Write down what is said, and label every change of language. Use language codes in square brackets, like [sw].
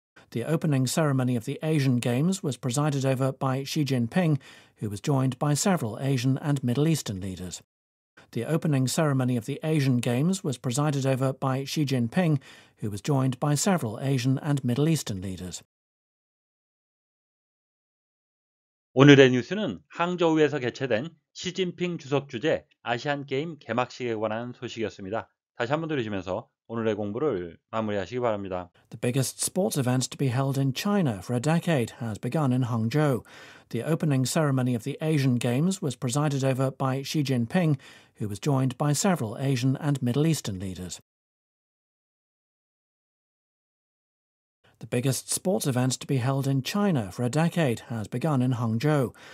[en] The opening ceremony of the Asian Games was presided over by Xi Jinping, who was joined by several Asian and Middle Eastern leaders. The opening ceremony of the Asian Games was presided over by Xi Jinping, who was joined by several Asian and Middle Eastern leaders. [ko] 오늘의 뉴스는 항저우에서 개최된 시진핑 주석 주재 아시안 게임 개막식에 관한 소식이었습니다. 다시 한번 들으시면서 오늘의 공부를 마무리하시기 바랍니다. [en] The biggest sports event to be held in China for a decade has begun in Hangzhou. The opening ceremony of the Asian Games was presided over by Xi Jinping, who was joined by several Asian and Middle Eastern leaders. The biggest sports event to be held in China for a decade has begun in Hangzhou.